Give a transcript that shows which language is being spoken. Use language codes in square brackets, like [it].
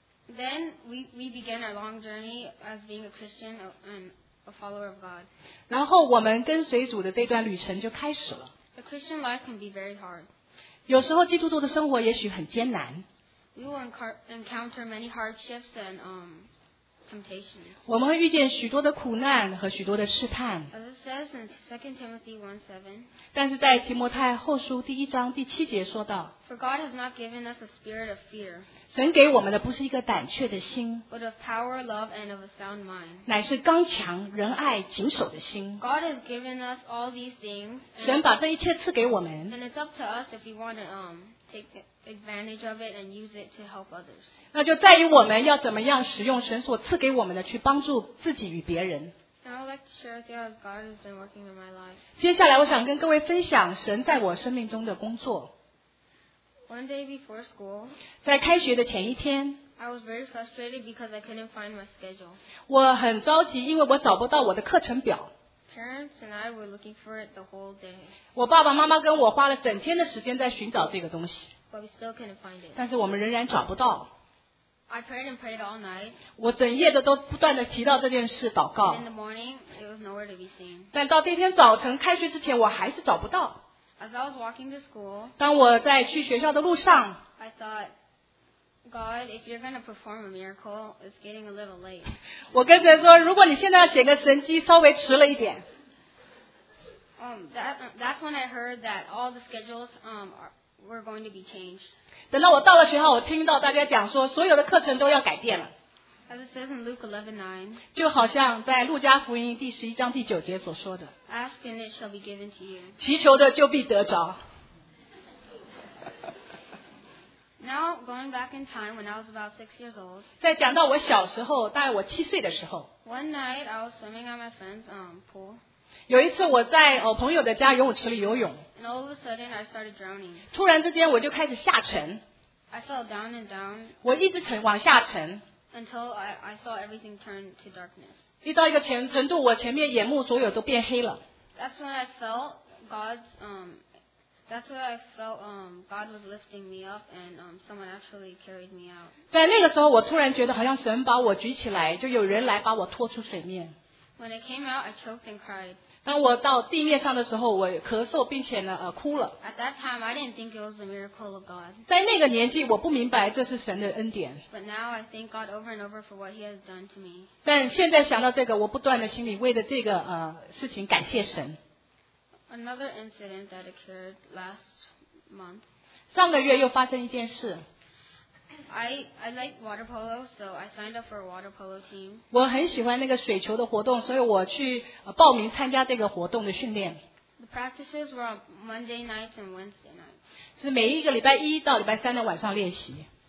[en] Then we begin our long journey as being a Christian and a follower of God. [zh] 然后我们跟随主的这段旅程就开始了。 [en] The Christian life can be very hard. [zh] 有时候基督徒的生活也许很艰难。 [en] We will encounter many hardships and temptations. [zh] 我们会遇见许多的苦难和许多的试探。 [en] As it says in 2 Timothy 1:7. [zh] 但是在提摩太后书第一章第七节说到。 [en] For God has not given us a spirit of fear. [zh] 神给我们的不是一个胆怯的心。 [en] But of power, love, and of a sound mind. [zh] 乃是刚强、仁爱、谨守的心。 [en] God has given us all these things. [zh] 神把这一切赐给我们。 [en] And it's up to us if we want to take advantage of it and use it to help others. [zh] 那就在于我们要怎么样使用神所赐给我们的去帮助自己与别人。 [en] Now I'd like to share with you how God has been working in my life. [zh] 接下来我想跟各位分享神在我生命中的工作。 [en] One day before school, [zh] 在开学的前一天， [en] I was very frustrated because I couldn't find my schedule. [zh] 我很着急，因为我找不到我的课程表。 [en] Parents and I were looking for it the whole day. [zh] 我爸爸妈妈跟我花了整天的时间在寻找这个东西。 [en] But we still couldn't find it. [zh] 但是我们仍然找不到。 [en] I prayed and prayed all night. [zh] 我整夜的都不断的提到这件事祷告。 [en] And in the morning, it was nowhere to be seen. [zh] 但到第二天早晨开学之前，我还是找不到。 [en] As I was walking to school, [zh] 当我在去学校的路上 [en] ，I thought, God, if you're going to perform a miracle, it's getting a little late. [zh] 我跟神说，如果你现在要写个神迹，稍微迟了一点。 [en] That's when I heard that all the schedules were going to be changed. [zh] 等到我到了学校，我听到大家讲说，所有的课程都要改变了。 [en] As it says in Luke 11:9, [zh] 就好像在路加福音第十一章第九节所说的 [en] ，Ask and it shall be given to you. [zh] 祈求的就必得着。 [en] Now going back in time when I was about 6 years old. [zh] 在讲到我小时候，大概我七岁的时候。 [en] One night I was swimming at my friend's pool. [zh] 有一次我在朋友的家游泳池里游泳。 [en] And all of a sudden I started drowning. [zh] 突然之间我就开始下沉。 [en] I fell down and down. [zh] 我一直沉往下沉。 [en] Until I saw everything turn to darkness. [zh] 遇到一个程度，我前面眼目所有都变黑了。 [en] That's when I felt God's That's where I felt God was lifting me up and someone actually carried me out. [zh] 在那个时候，我突然觉得好像神把我举起来，就有人来把我拖出水面。 [en] When I came out, I choked and cried. [zh] 当我到地面上的时候，我咳嗽并且呢哭了。 [en] At that time, I didn't think it was a miracle of God. [zh] 在那个年纪，我不明白这是神的恩典。 [en] But now I thank God over and over for what He has done to me. [zh] 但现在想到这个，我不断的心里为着这个事情感谢神。 [en] Another incident that occurred last month. [zh] 上个月又发生一件事。 [en] I like water polo, so I signed up for a water polo team. [zh] 我很喜欢那个水球的活动，所以我去报名参加这个活动的训练。 [en] The practices were on Monday nights and Wednesday nights. [zh] 是每一个礼拜一到礼拜三的晚上练习。